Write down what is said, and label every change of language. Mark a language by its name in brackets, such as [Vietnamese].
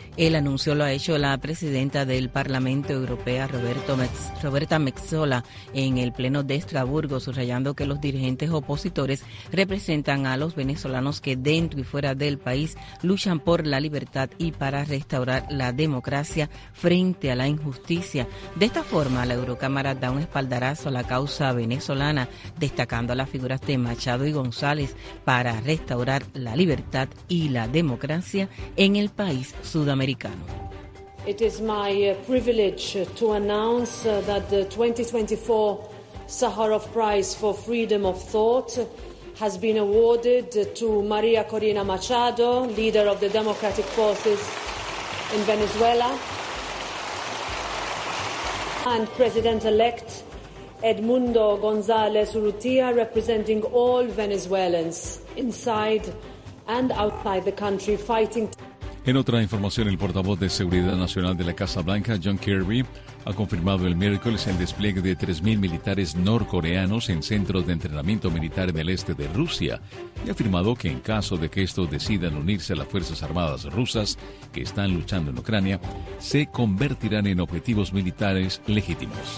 [Spanish] El anuncio lo ha hecho la presidenta del Parlamento Europeo, Roberta Metsola, en el Pleno de Estrasburgo, subrayando que los dirigentes opositores representan a los venezolanos que dentro y fuera del país luchan por la libertad y para restaurar la democracia frente a la injusticia. De esta forma, la Eurocámara da un espaldarazo a la causa venezolana, destacando a las figuras de Machado y González para restaurar la libertad y la democracia en el país sudamericano. [English] It is my privilege to announce that the 2024 Sakharov Prize for Freedom of Thought has been awarded to Maria Corina Machado, leader of the Democratic Forces in Venezuela, and President-elect Edmundo González Urrutia, representing all Venezuelans inside and outside the country fighting. [Spanish] En otra información, el portavoz de Seguridad Nacional de la Casa Blanca, John Kirby, ha confirmado el miércoles el despliegue de 3.000 militares norcoreanos en centros de entrenamiento militar en el este de Rusia y ha afirmado que en caso de que estos decidan unirse a las Fuerzas Armadas rusas que están luchando en Ucrania, se convertirán en objetivos militares legítimos.